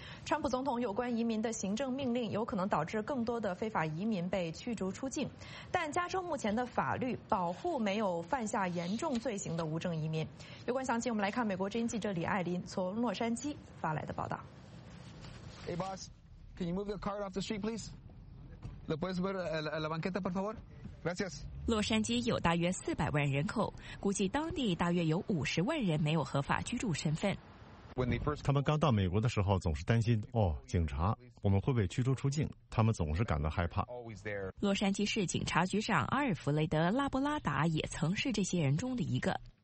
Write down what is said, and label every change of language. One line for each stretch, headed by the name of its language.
Chinese: 川普总统有关移民的行政命令有可能导致更多的非法移民被驱逐出境，但加州目前的法律保护没有犯下严重罪行的无证移民。有关详情，我们来看美国之音记者李爱琳从洛杉矶发来的报道。
English: Hey boss, can you move your car off the street please?
Spanish: Le puedes ver la banqueta por favor? Gracias.
Chinese: 洛杉矶有大约400万人口，估计当地大约有500万人没有合法居住身份。他们刚到美国的时候总是担心，哦，警察，我们会被驱逐出境，他们总是感到害怕。洛杉矶市警察局长阿尔弗雷德·拉布拉达也曾是这些人中的一个。